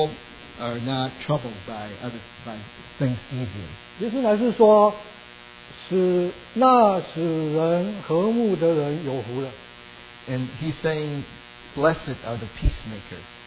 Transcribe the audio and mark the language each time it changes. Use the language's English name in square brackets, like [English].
[English] people are not troubled by things easily. [Chinese] 耶稣乃是说，使那使人和睦的人有福了。 [English] And he's saying, blessed are the peacemakers.